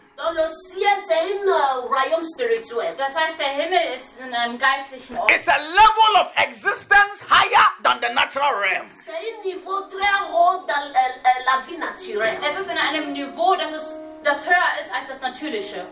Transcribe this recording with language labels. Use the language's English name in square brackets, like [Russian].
[German] Das heißt, der Himmel ist in einem geistlichen Ort. [English] It's a level of existence higher than the natural realm. [German] Es ist in einem Niveau, das höher ist als das natürliche.